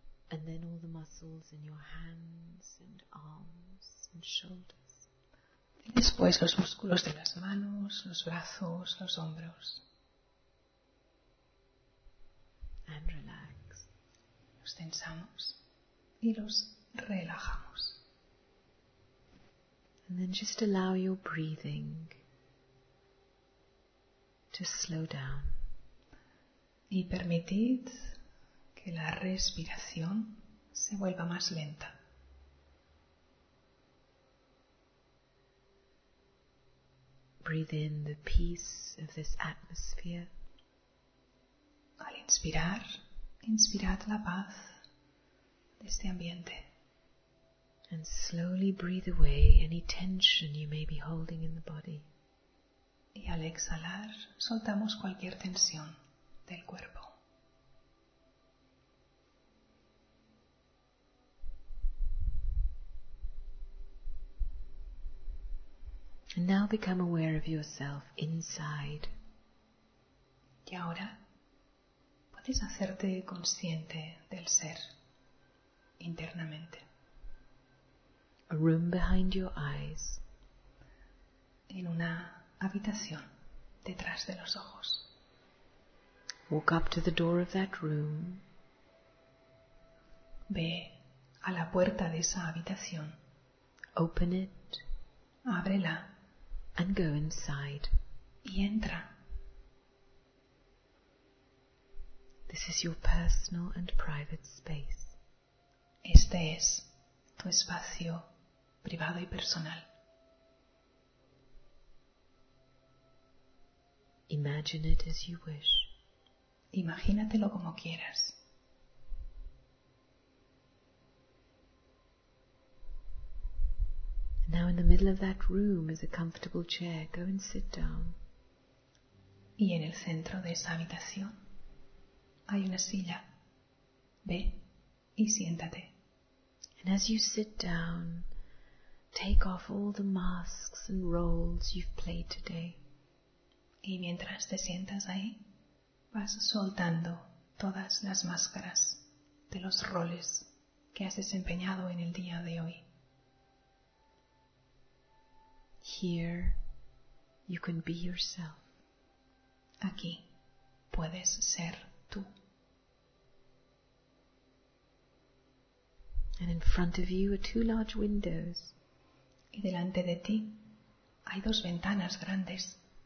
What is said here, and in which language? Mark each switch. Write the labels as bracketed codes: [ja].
[en] And then all the muscles in your hands and arms and shoulders. [es] Y después los músculos de las manos, los brazos, los hombros. [en] And relax. [es] Los tensamos y los relajamos. [en] And then just allow your breathing to slow down. [es] Y permitid que la respiración se vuelva más lenta. [en] Breathe in the peace of this atmosphere. [es] Al inspirar, inspirad la paz de este ambiente. [en] And slowly breathe away any tension you may be holding in the body. [es] Y al exhalar, soltamos cualquier tensión del cuerpo. [en] And now become aware of yourself inside. [es] Y ahora puedes hacerte consciente del ser internamente. [en] A room behind your eyes. [es] En una habitación detrás de los ojos. [en] Walk up to the door of that room. [es] Ve a la puerta de esa habitación. [en] Open it. [es] Ábrela. [en] And go inside. [es] Y entra. [en] This is your personal and private space. [es] Este es tu espacio privado y personal. [en] Imagine it as you wish. [es] Imagínatelo como quieras. [en] Now in the middle of that room is a comfortable chair. Go and sit down. [es] Y en el centro de esa habitación hay una silla. Ve y siéntate. [en] And as you sit down, take off all the masks and roles you've played today. [es] Y mientras te sientas ahí, vas soltando todas las máscaras de los roles que has desempeñado en el día de hoy. [en] Here, you can be yourself. [es] Aquí, puedes ser tú. [en] And in front of you are two large windows. [es] Y delante de ti hay dos ventanas grandes.